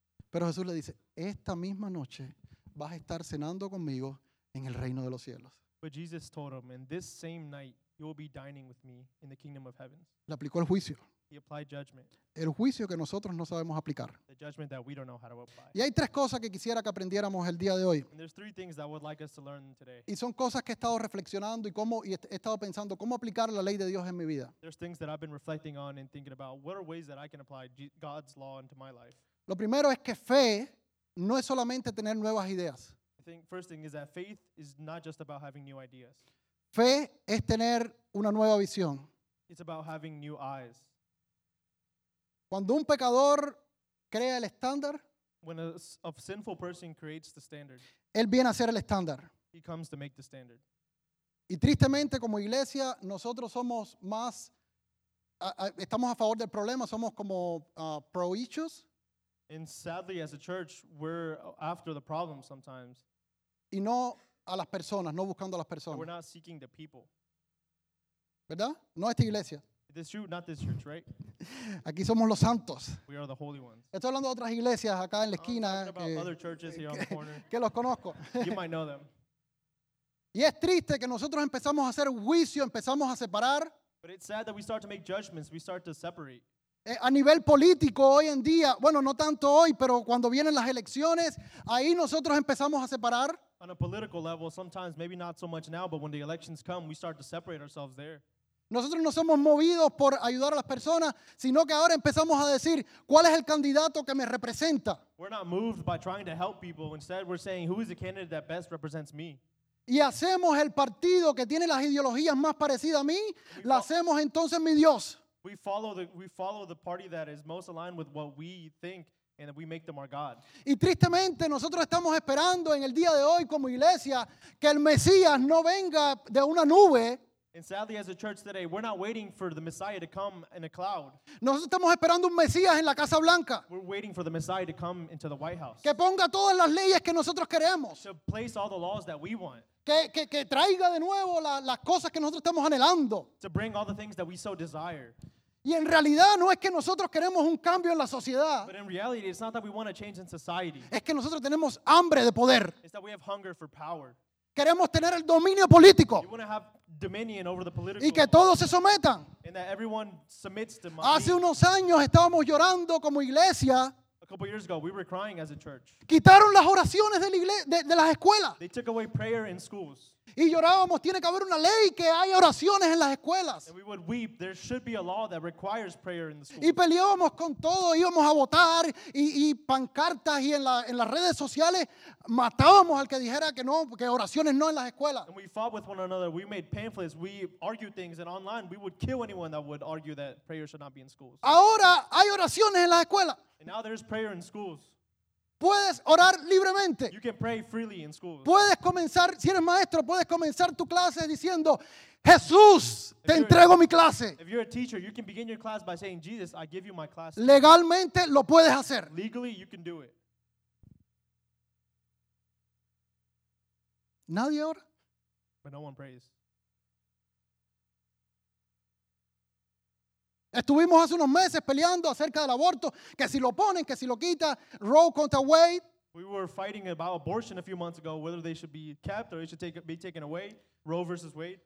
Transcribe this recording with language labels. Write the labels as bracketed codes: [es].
[es] Pero Jesús le dice, esta misma noche vas a estar cenando conmigo en el reino de los cielos. [en] But Jesus told him, and this same night you will be dining with me in the kingdom of heaven. [es] Le aplicó el juicio. [en] He applied judgment. [es] El juicio que nosotros no sabemos aplicar. [en] The judgment that we don't know how to apply. [es] Y hay tres cosas que quisiera que aprendiéramos el día de hoy. [en] And there's three things that I would like us to learn today. [es] Y son cosas que he estado reflexionando y he estado pensando cómo aplicar la ley de Dios en mi vida. [en] There's things that I've been reflecting on and thinking about. What are ways that I can apply God's law into my life? [es] Lo primero es que fe no es solamente tener nuevas ideas. [en] I think first thing is that faith is not just about having new ideas. [es] Fe es tener una nueva visión. [en] It's about having new eyes. [es] Cuando un pecador crea el estándar, [en] when a sinful person creates the standard, [es] él viene a ser el estándar. [en] He comes to make the standard. [es] Y tristemente, como iglesia, nosotros somos más, estamos a favor del problema, somos como pro-issues. [en] And sadly, as a church, we're after the problem sometimes. [es] Y no a las personas, no buscando a las personas. [en] We're not seeking the people. [es] ¿Verdad? No esta iglesia. [en] This church, not this church, right? [es] Aquí somos los santos. [en] We are the holy ones. [es] Estoy hablando de otras iglesias acá en la esquina. [en] Other churches here on the corner. [es] Que los conozco. [en] You might know them. [es] Y es triste que nosotros empezamos a hacer juicio, empezamos a separar. [en] But it's sad that we start to make judgments, we start to separate. [es] A nivel político hoy en día, bueno, no tanto hoy, pero cuando vienen las elecciones, ahí nosotros empezamos a separar. [en] On a political level, sometimes maybe not so much now, but when the elections come, we start to separate ourselves there. [es] Nosotros no somos movidos por ayudar a las personas, sino que ahora empezamos a decir, ¿cuál es el candidato que me representa? [en] We're not moved by trying to help people. Instead, we're saying, who is the candidate that best represents me? [es] Y hacemos el partido que tiene las ideologías más parecidas a mí, la hacemos entonces mi Dios. [en] We follow the party that is most aligned with what we think, and we make them our God. [es] Y tristemente, nosotros estamos esperando en el día de hoy como iglesia que el Mesías no venga de una nube. [en] And sadly, as a church today, we're not waiting for the Messiah to come in a cloud. [es] Nosotros estamos esperando un Mesías en la Casa Blanca. [en] We're waiting for the Messiah to come into the White House. [es] Que ponga todas las leyes que nosotros queremos. [en] To place all the laws that we want. [es] Que traiga de nuevo las cosas que nosotros estamos anhelando. [en] To bring all the things that we so desire. [es] Y en realidad no es que nosotros queremos un cambio en la sociedad. [en] But in reality, it's not that we want to change in society. [es] Es que nosotros tenemos hambre de poder. [en] It's that we have hunger for power. [es] Queremos tener el dominio político. [en] You want to have dominion over the political. [es] Y que todos se sometan. [en] And that everyone submits to my. [es] Hace unos años estábamos llorando como iglesia. [en] A couple years ago, we were crying as a church. [es] Quitaron las oraciones de la iglesia, de las escuelas. [en] They took away prayer in schools. [es] Y llorábamos, tiene que haber una ley que haya oraciones en las escuelas. [en] And we would weep, there should be a law that requires prayer in the schools. [es] Y peleábamos con todo, íbamos a votar y pancartas y en las redes sociales matábamos al que dijera que no, que oraciones no en las escuelas. [en] And we fought with one another, we made pamphlets, we argued things, and online we would kill anyone that would argue that prayer should not be in schools. [es] Ahora hay oraciones en las escuelas. [en] And now there's prayer in schools. [es] Puedes orar libremente. [en] You can pray freely in school. [es] Puedes comenzar, si eres maestro, puedes comenzar tu clase diciendo, Jesús, te entrego mi clase. [en] If you're a teacher, you can begin your class by saying, Jesus, I give you my class. [es] Legalmente lo puedes hacer. [en] Legally, you can do it. [es] Nadie ora. [en] But no one prays. [es] Estuvimos hace unos meses peleando acerca del aborto, que si lo ponen, que si lo quita, Roe contra Wade. [en] We were fighting about abortion a few months ago, whether they should be kept or it should be taken away, Roe versus Wade.